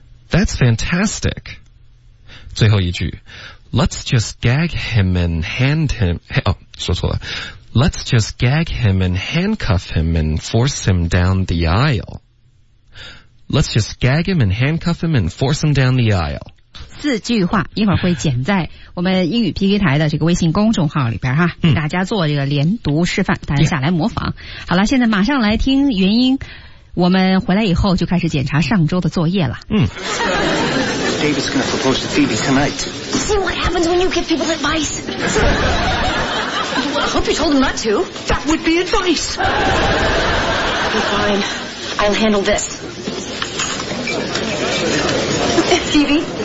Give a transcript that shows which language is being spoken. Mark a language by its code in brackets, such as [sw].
[en] That's fantastic. [zh] 最后一句 [en] Let's just gag him and hand him [zh] 说错了 [en] Let's just gag him and handcuff him and force him down the aisle Let's just gag him and handcuff him and force him down the aisle [zh] 四句话一会儿会剪在我们英语 PK 台的这个微信公众号里边哈，给大家做这个连读示范，大家下来模仿。好了，现在马上来听原音，我们回来以后就开始检查上周的作业了。 [en] David's gonna propose to Phoebe tonight. See what happens when you give people advice. I hope you told him not to. That would be advice. Be fine. I'll handle this. Phoebe?